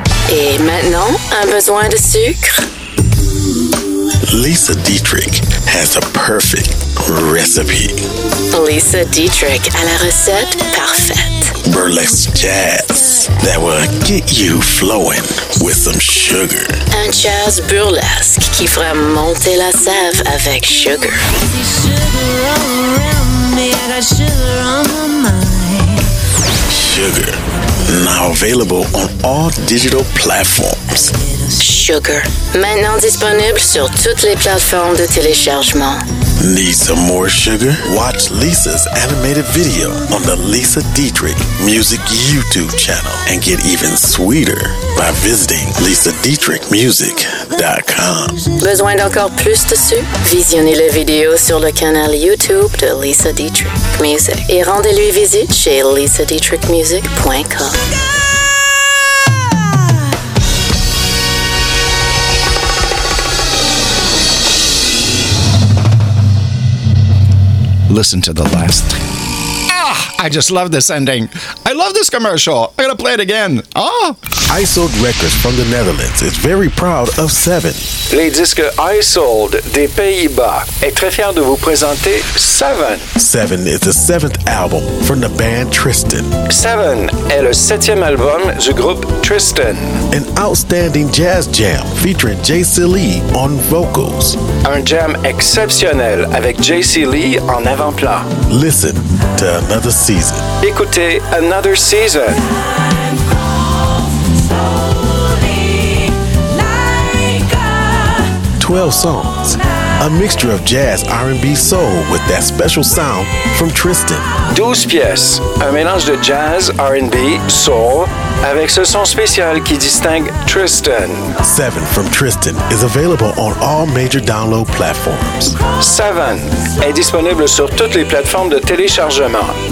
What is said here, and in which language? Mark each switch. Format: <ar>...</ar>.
<fr>Et maintenant, un besoin de sucre.</fr> <en>Lisa Dietrich has a perfect recipe.</en> <fr>Lisa Dietrich a la recette parfaite.</fr> <en>Burlesque jazz that will get you flowing with some sugar.</en> <fr>Un jazz burlesque qui fera monter la sève avec sugar.</fr> <en>Sugar all around me, I got sugar on my mind. Sugar, now available on all digital platforms.</en> <fr>Sugar, maintenant disponible sur toutes les plateformes de téléchargement.</fr> <en>Need some more sugar? Watch Lisa's animated video on the Lisa Dietrich Music YouTube channel and get even sweeter by visiting lisadietrichmusic.com.</en> <fr>Besoin d'encore plus de sucre? Visionnez les vidéos sur le canal YouTube de Lisa Dietrich Music et rendez-lui visite chez lisadietrichmusic.com.</fr> <en>Listen to the last. Ah, I just love this ending. I love this commercial. I gotta play it again. Oh. iSold Records from the Netherlands is very proud of 7.</en> <fr>Les disques iSold des Pays-Bas est très fier de vous présenter 7.</fr> <en>7 is the 7th album from the band Tristan.</en> <fr>7 est le 7e album du groupe Tristan.</fr> <en>An outstanding jazz jam featuring JC Lee on vocals.</en> <fr>Un jam exceptionnel avec JC Lee en avant-plan.</fr> <en>Listen to another season.</en> <fr>Écoutez another season.</fr> <en>Like 12 songs, a mixture of jazz, R&B, soul with that special sound from Tristan.</en> <fr>12 pièces, un mélange de jazz, R&B, soul avec ce son spécial qui distingue Tristan.</fr> <en>7 from Tristan is available on all major download platforms.</en> <fr>7 est disponible sur toutes les plateformes de téléchargement.</fr>